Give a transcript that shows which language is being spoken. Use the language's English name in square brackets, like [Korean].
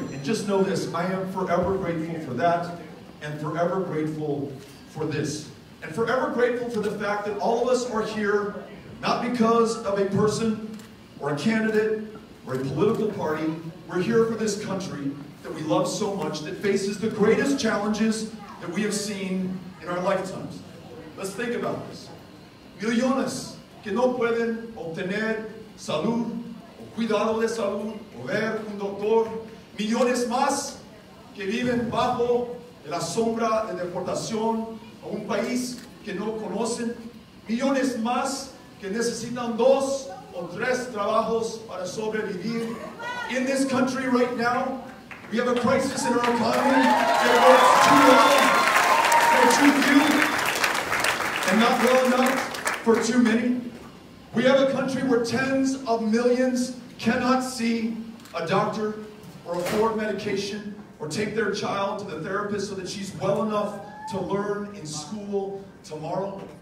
[English] And just know this, I am forever grateful for that, and forever grateful for this, and forever grateful for the fact that all of us are here, not because of a person, or a candidate, or a political party. We're here for this country that we love so much, that faces the greatest challenges that we have seen in our lifetimes. Let's think about this. [Spanish] Millones que no pueden obtener salud, o cuidado de salud, o ver un doctor. Millones más que viven bajo la sombra de deportación, a un país que no conocen, millones más que necesitan dos o tres trabajos para sobrevivir. [English] In this country right now, we have a crisis in our economy that works too long for too few and not well enough for too many. We have a country where tens of millions cannot see a doctor or afford medication or take their child to the therapist so that she's well enough to learn in school tomorrow.